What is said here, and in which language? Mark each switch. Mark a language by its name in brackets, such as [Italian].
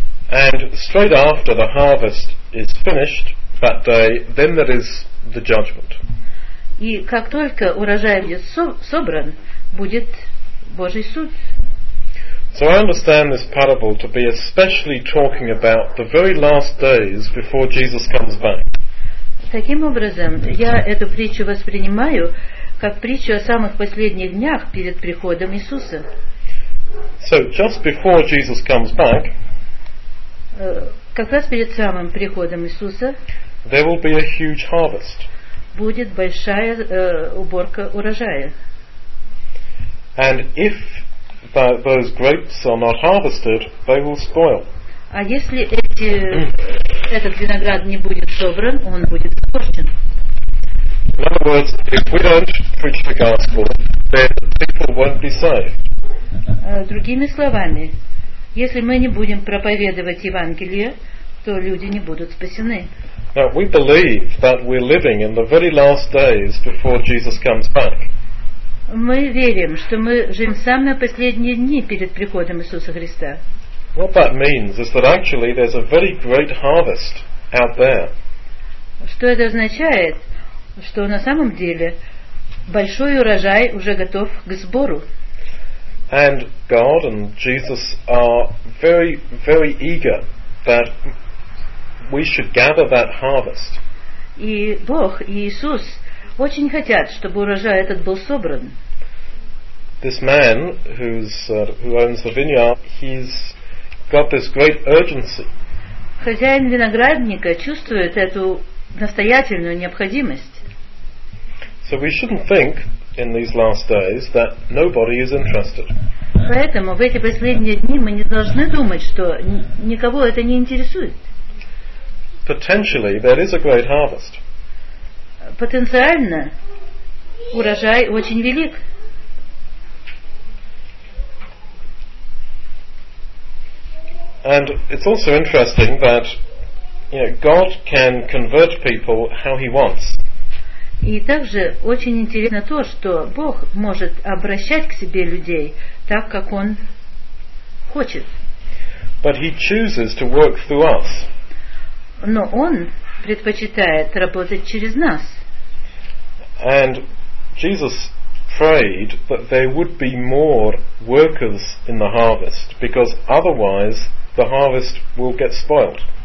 [English] And straight after the harvest is finished that day, then there is the judgment. [Russian] И как только урожай будет собран, будет Божий суд. [English] So I understand this parable to be especially talking about the very last days before Jesus comes back. [Russian] Таким образом, я эту притчу воспринимаю как притчу о самых последних днях перед приходом Иисуса. [English] So just before Jesus comes back, [Russian] как раз перед самым приходом Иисуса, [English] there will be a huge harvest. [Russian] будет большая уборка урожая. [English] And if those grapes are not harvested, they will spoil. [Russian] А если этот виноград не будет собран, он будет испорчен. [English] In other words, if we don't preach the gospel, then people won't be saved. [Russian] Другими словами, если мы не будем проповедовать Евангелие, то люди не будут спасены. [English] Now, we believe that we're living in the very last days before Jesus comes back. [Russian] Мы верим, что мы живем самые последние дни перед приходом Иисуса Христа. [English] What that means is that actually there's a very great harvest out there. [Russian] Что это означает? Что на самом деле большой урожай уже готов к сбору. [English] And God and Jesus are very, very eager that we should gather that harvest. [Russian] И Бог, и Иисус очень хотят, чтобы урожай этот был собран. [English] This man who owns the vineyard, he's got this great urgency. [Russian] Хозяин виноградника чувствует эту настоятельную необходимость. [English] So we shouldn't think in these last days that nobody is interested. [Russian] Поэтому в эти последние дни мы не должны думать, что никого это не интересует. [English] Potentially, there is a great harvest. [Russian] Потенциально урожай очень велик. [English] And it's also interesting that, you know, God can convert people how He wants. [Russian] И также очень интересно то, что Бог может обращать к себе людей так, как Он хочет. [English] But He chooses to work through us. [Russian] Но Он предпочитает работать через нас. [English] And Jesus prayed that there would be more workers in the harvest, because otherwise the harvest will get spoiled.